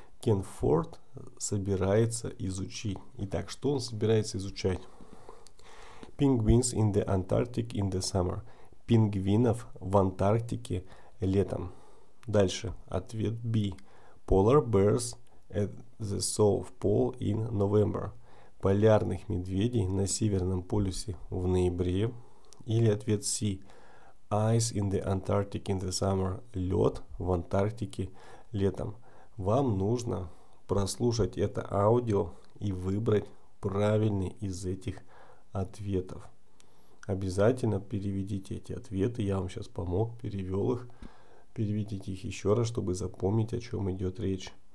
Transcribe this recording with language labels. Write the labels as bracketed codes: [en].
[ru] Кен Форд собирается изучить. Итак, что он собирается изучать? [en] Penguins in the Antarctic in the summer. [ru] Пингвинов в Антарктике летом. Дальше. Ответ B. [en] Polar bears at the South Pole in November. [ru] Полярных медведей на Северном полюсе в ноябре. Или ответ C. [en] Ice in the Antarctic in the summer. [ru] Лед в Антарктике летом. Вам нужно прослушать это аудио и выбрать правильный из этих ответов. Обязательно переведите эти ответы. Я вам сейчас помог, перевел их. Переведите их еще раз, чтобы запомнить, о чем идет речь.